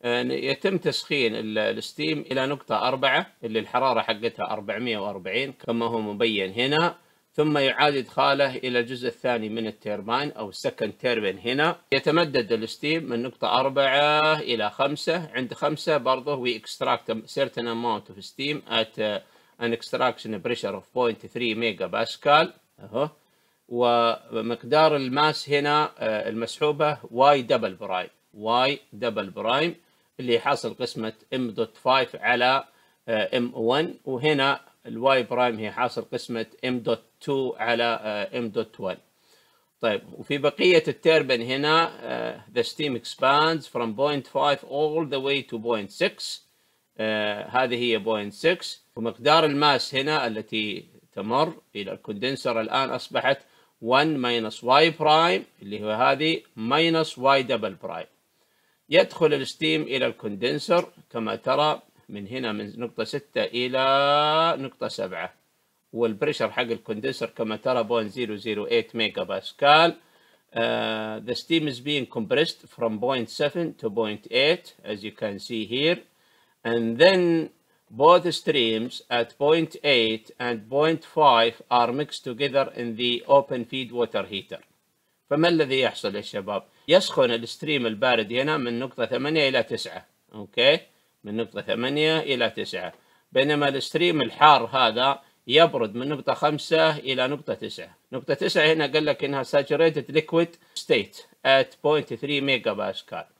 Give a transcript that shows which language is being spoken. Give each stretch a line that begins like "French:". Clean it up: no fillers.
Arabic: يتم تسخين الستيم إلى نقطة 4 اللي الحرارة حقتها 440 كما هو مبين هنا، ثم يعاد إدخاله إلى الجزء الثاني من التيربان أو السكند تيربان. هنا يتمدد الستيم من نقطة 4 إلى 5. عند 5 برضه
English: we extract a certain amount of steam at an extraction pressure of 0.3 megapascal.
Arabic: ومقدار الماس هنا المسحوبة y double برايم، y double برايم اللي حاصل قسمة m.5 على m1، وهنا الواي برايم هي حاصل قسمة m.2 على m.1. طيب، وفي بقية التيربن هنا
English: the steam expands from 0.5 all the way to 0.6.
Arabic: هذه هي 0.6، ومقدار الماس هنا التي تمر إلى الكوندنسر الآن أصبحت 1-y برايم اللي هو هذه
English: minus
Arabic: y double برايم. يدخل الستيم إلى الكوندنسر كما ترى من هنا من نقطة 6 إلى نقطة 7، والبريشر حق الكوندنسر كما ترى 0.008 ميجا باسكال.
English: The steam is being compressed from 0.7 to 0.8 as you can see here. And then both streams at 0.8 and 0.5 are mixed together in the open feed water heater.
Arabic: فما الذي يحصل يا شباب؟ يسخن الستريم البارد هنا من نقطة 8 إلى 9، أوكي؟ من نقطة 8 إلى 9، بينما الستريم الحار هذا يبرد من نقطة 5 إلى نقطة 9. نقطة 9 هنا قال لك إنها
English: saturated liquid state at
Arabic: 0.3 ميجا باسكال.